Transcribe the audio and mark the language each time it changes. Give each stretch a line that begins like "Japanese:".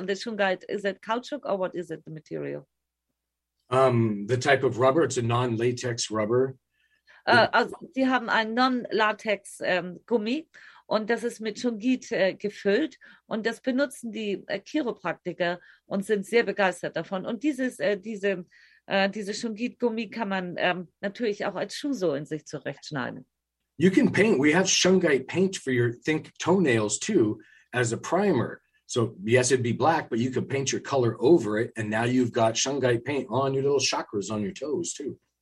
English: And the Shungite, is it caoutchouc or what is it, the material? The type of rubber, it's a non-latex rubber.
German: Sie haben ein non-latex Gummi und das ist mit Shungite gefüllt und das benutzen die Chiropraktiker und sind sehr begeistert davon. Und diese Shungite-Gummi kann man natürlich auch als Schuhsohlen sich zurechtschneiden.
English: You can paint. We have Shungite paint for your think toenails too as a primer. So yes, it'd be black, but you could paint your color over it and now you've got Shungite paint on your little chakras on your toes too.